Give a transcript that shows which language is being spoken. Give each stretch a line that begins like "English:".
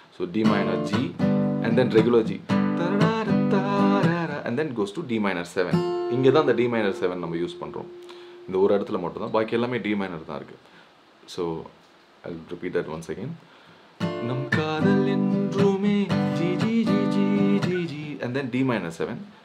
English: So D minor G and then regular G. And then goes to D minor 7.
Tamil: இங்க தான் அந்த D minor 7 நம்ம use பண்றோம். இந்த ஒரு இடத்துல மட்டும் தான் பாக்கி எல்லாமே D minor தான் இருக்கு.
English: So I'll repeat that once again.
Tamil: நம் காதல் என்றுமே
English: G G G G G G and then D minor 7.